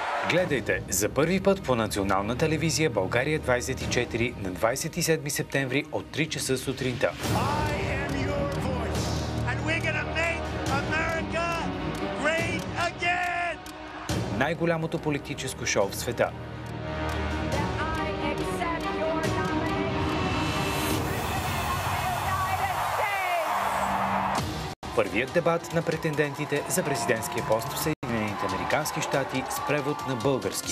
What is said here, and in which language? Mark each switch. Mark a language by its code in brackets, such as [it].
[bg] Гледайте за първи път по национална телевизия България 24 на 27 септември от 3 часа сутринта. [en] I am your voice, and we're gonna make America great again! [bg] Най-голямото политическо шоу в света. Първият дебат на претендентите за президентския пост в Съединените американски щати с превод на български.